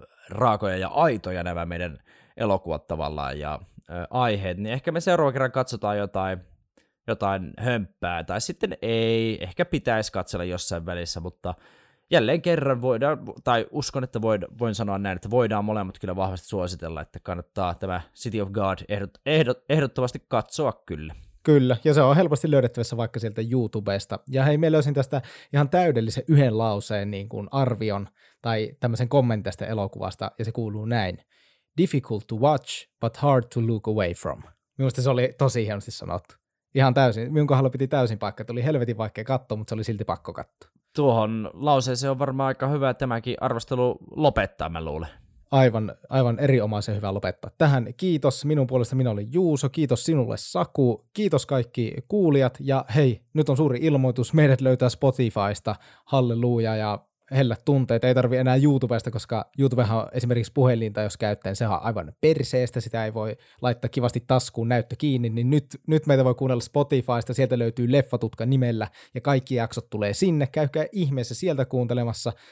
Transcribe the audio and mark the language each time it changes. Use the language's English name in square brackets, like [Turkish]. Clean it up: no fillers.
[Finnish] raakoja ja aitoja nämä meidän elokuvat tavallaan ja aiheet, niin ehkä me seuraavan kerran katsotaan jotain hömppää, tai sitten ei, ehkä pitäisi katsella jossain välissä, mutta jälleen kerran voidaan, tai uskon, että voin sanoa näin, että voidaan molemmat kyllä vahvasti suositella, että kannattaa tämä City of God ehdottomasti katsoa kyllä. Kyllä, ja se on helposti löydettävissä vaikka sieltä YouTubesta. Ja hei, minä löysin tästä ihan täydellisen yhden lauseen niin kuin arvion tai tämmöisen kommentista elokuvasta, ja se kuuluu näin. [English] Difficult to watch, but hard to look away from. [Finnish] Minusta se oli tosi hienosti sanottu. Ihan täysin, minun kohdalla piti täysin paikka, että oli helvetin vaikea katsoa, mutta se oli silti pakko katsoa. Tuohon lauseeseen on varmaan aika hyvä tämäkin arvostelu lopettaa, mä luulen. Aivan erinomaisen hyvä lopettaa. Tähän kiitos minun puolesta, minä olin Juuso, kiitos sinulle Saku, kiitos kaikki kuulijat, ja hei, nyt on suuri ilmoitus, meidät löytää Spotifysta, halleluja ja hellät tunteet, ei tarvi enää YouTubesta, koska YouTubehan on esimerkiksi puhelinta, jos käyttäen, sehän on aivan perseestä, sitä ei voi laittaa kivasti taskuun näyttö kiinni, niin nyt meitä voi kuunnella Spotifysta, sieltä löytyy Leffatutka nimellä, ja kaikki jaksot tulee sinne, käykää ihmeessä sieltä kuuntelemassa,